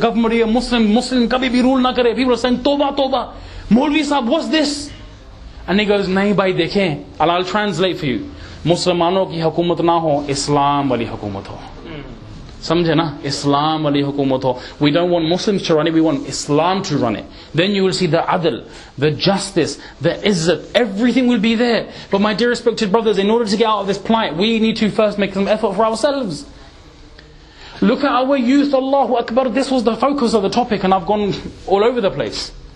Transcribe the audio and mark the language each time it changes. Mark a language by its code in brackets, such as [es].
[ur] Government here, Muslim, کبھی بھی rule نہ کرے. [en] People are saying, Toba. Maulvi sahab, what's this? And he goes, نہیں بھائی، دیکھے. And I'll translate for you. [ur] مسلمانو کی حکومت نہ ہو، اسلام والی حکومت ہو. سمجھے نا؟ اسلام والی حکومت ہو. [en] We don't want Muslims to run it, we want Islam to run it. Then you will see the adl, the justice, the izzat, everything will be there. But my dear respected brothers, in order to get out of this plight, we need to first make some effort for ourselves. Look at our youth, Allahu Akbar. This was the focus of the topic and I've gone all over the place.